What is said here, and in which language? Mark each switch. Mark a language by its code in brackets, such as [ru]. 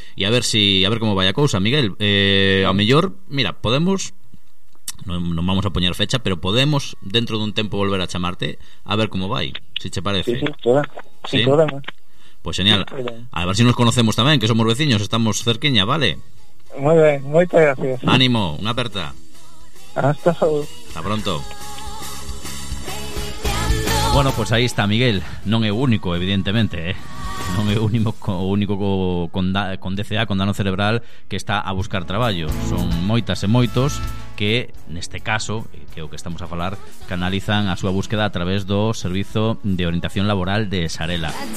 [es] Y a ver cómo vaya cosa, Miguel. A mejor, mira, podemos, no vamos a poner fecha, pero podemos dentro de un tiempo volver a llamarte a ver cómo va, si te parece. Sí, pues genial. A ver si nos conocemos también, que somos vecinos, estamos cerqueña, ¿vale? Muy bien, muchas gracias. Ánimo, una aperta. Hasta pronto. Bueno, pues ahí está Miguel. [gl] Non é único, evidentemente, Non é único con DCA, con dano cerebral, que está a buscar traballo. Son moitas e moitos que, neste caso, que é o que estamos a falar, canalizan a súa búsqueda a través do Servizo de Orientación Laboral de Sarela.